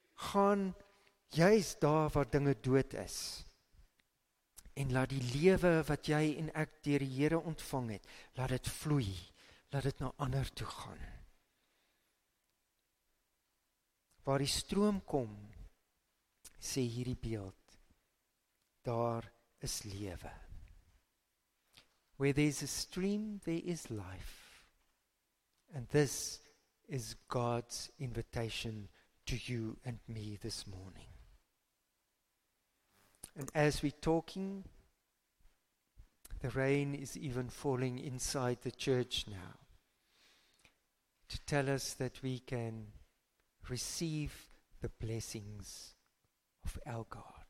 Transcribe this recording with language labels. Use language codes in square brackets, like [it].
[af] Gaan juist daar waar dinge dood is. En laat die lewe wat jy en ek deur die Here ontvang het, laat dit vloei. Laat dit na ander toe gaan. Waar die stroom kom, sê hierdie beeld, daar is lewe. [en] Where there is a stream, there is life. And this is God's invitation to you and me this morning. And as we're talking, the rain is even falling inside the church now to tell us that we can receive the blessings of our God.